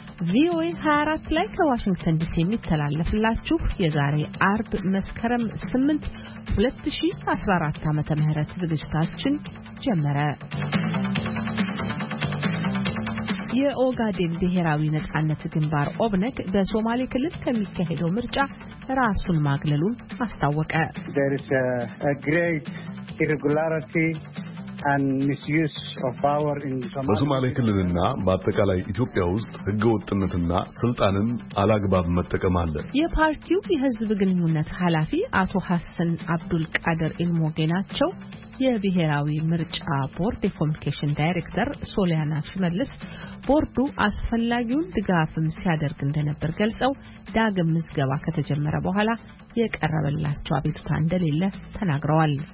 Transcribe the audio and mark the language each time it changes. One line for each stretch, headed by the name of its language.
Amharic: ቪኦኤ 24 ላይ ከዋሽንግተን ዲሲ የሚተላለፍላችሁ የዛሬ አርብ መስከረም 8 2014 ዓመተ ምህረት ዝግጅታችን ጀመረ። የኦጋዴን ብሔራዊ ነጻነት ግንባር ኦብነግ በሶማሌ ክልል ከሚካሄደው ምርጫ ራሱን ማግለሉን አስታወቀ።
English: There is a great irregularity and misuse of power in Somalia.
Amharic: በሶማሌ ክልልና በአጠቃላይ ኢትዮጵያ ውስጥ ህገወጥነትና ስልጣንን አላግባብ መጠቀም አለ። የፓርቲው የህዝብ ግንኙነት ኃላፊ አቶ ሐሰን አብዱል ቃድር ኢልሞገናቸው የብሔራዊ ምርጫ ቦርድ የኮሙኒኬሽን ዳይሬክተር ሶሊያና ሽመልስ ቦርዱ አስፈላጊውን ድጋፍም ሲያደርግ እንደነበር ገልጸው ዳግም ምዝገባ ከተጀመረ በኋላ የቀረበላቸው አቤቱታ እንደሌለ ተናግረዋል።